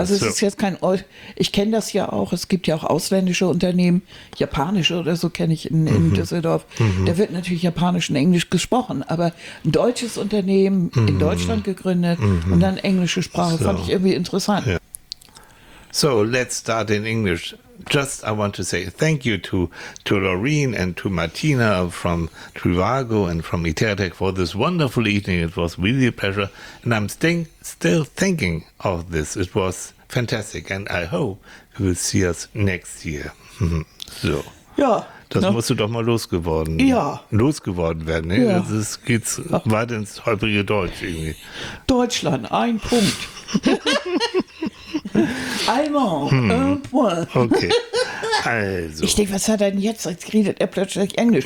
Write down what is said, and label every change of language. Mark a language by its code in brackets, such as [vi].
[de] Also es ist jetzt kein, ich kenne das ja auch, es gibt ja auch ausländische Unternehmen, japanische oder so kenne ich in Düsseldorf, da wird natürlich japanisch und englisch gesprochen, aber ein deutsches Unternehmen in Deutschland gegründet und dann englische Sprache, fand ich irgendwie interessant. Ja. [en] So, let's start in English. Just, I want to say thank you to Laureen and to Martina from Trivago and from Iteratec for this wonderful evening. It was really a pleasure. And I'm still thinking of this. It was fantastic. And I hope you will see us next year. So. [de] Ja. Das musst du doch mal losgeworden werden. Ne? Ja. Das geht weit ins holprige Deutsch irgendwie. Deutschland, ein Punkt. [fr] Allemand, un point. [de] Okay, also. Ich denke, was hat er denn jetzt? Jetzt redet er plötzlich Englisch.